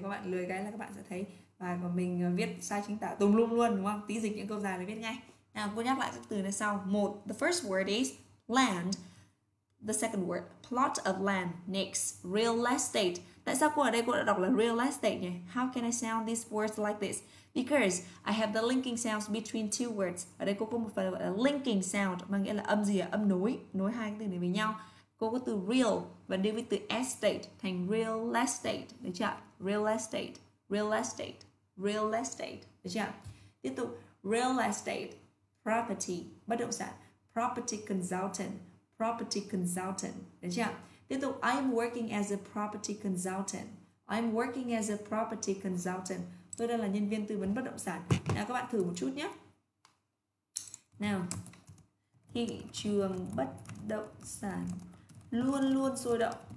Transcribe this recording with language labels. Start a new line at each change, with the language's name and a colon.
Vietnamese: Các bạn lười cái là các bạn sẽ thấy bài của mình viết sai chính tả tùm lum luôn, đúng không? Tí dịch những câu dài để viết ngay. Nào, cô nhắc lại các từ này sau. Một,
English: the first word is land. The second word, plot of land. Next, real estate.
Vietnamese: Tại sao cô ở đây cô đã đọc là real estate nhỉ?
English: How can I sound these words like this? Because I have the linking sounds between two words.
Vietnamese: Ở đây cô có một phần gọi là linking sound, mà nghĩa là âm gì ạ? Âm nối, nối hai cái từ này với nhau. Cô có từ real và đi với từ estate thành real estate, được chưa?
English: Real estate, real estate, real estate,
Vietnamese: được chưa? Tiếp tục, real estate, property, bất động sản, property consultant, property consultant, được chưa? Tiếp tục,
English: I'm working as a property consultant. I'm working as a property consultant.
Vietnamese: Tôi đang là nhân viên tư vấn bất động sản. Nào các bạn thử một chút nhé. Nào, thị trường bất động sản luôn luôn sôi động.